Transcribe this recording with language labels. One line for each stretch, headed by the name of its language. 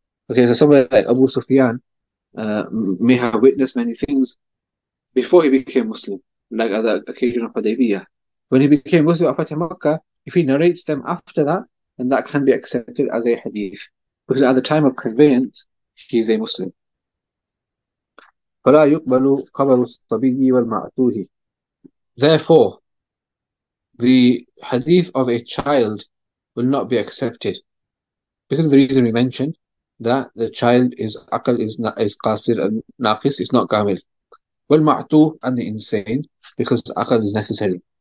English: Okay, so somebody like Abu Sufyan may have witnessed many things before he became Muslim, like at the occasion of Hudaybiyah. When he became Muslim at Fatih Makkah, if he narrates them after that, then that can be accepted as a hadith. Because at the time of conveyance, he's a Muslim.
Arabic: فلا يقبل قبر الصبي والمعتوه.
English: Therefore, the hadith of a child will not be accepted. Because of the reason we mentioned, that the child is akal is not is qasir and naqis, is not kamil. Wal ma'tu and the insane, because akal is necessary.